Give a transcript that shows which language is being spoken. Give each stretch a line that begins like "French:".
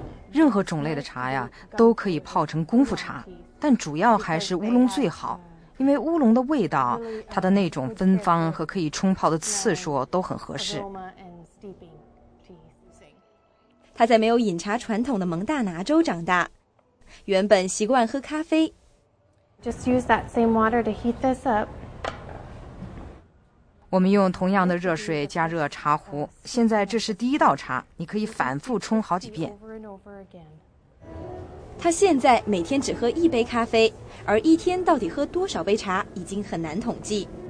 Chinese: 任何种类的茶呀，都可以泡成功夫茶，但主要还是乌龙最好，因为乌龙的味道，它的那种芬芳和可以冲泡的次数都很合适。他在没有饮茶传统的蒙大拿州长大，原本习惯喝咖啡。
English: Just use that same water to heat this up.
Chinese: 我们用同样的热水加热茶壶，现在这是第一道茶，你可以反复冲好几遍。他现在每天只喝一杯咖啡，而一天到底喝多少杯茶已经很难统计。